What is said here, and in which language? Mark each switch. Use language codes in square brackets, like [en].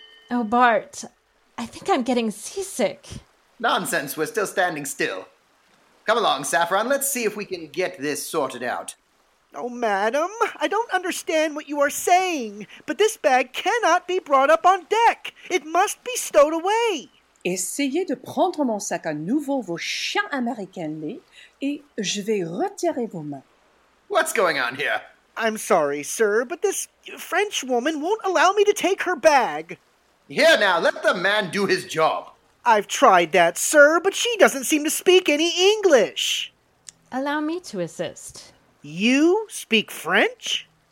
[en] Oh, Bart, I think I'm getting seasick. Nonsense, we're still standing still. Come along, Saffron, let's see if we can get this sorted out. Oh, madam, I don't understand what you are saying, but this bag cannot be brought up on deck. It must be stowed away. [fr] Essayez de prendre mon sac à nouveau, vos chiens américains, et je vais retirer vos mains. [en] What's going on here? I'm sorry, sir, but this French woman won't allow me to take her bag. Here now, let the man do his job. I've tried that, sir, but she doesn't seem to speak any English. Allow me to assist. You speak French?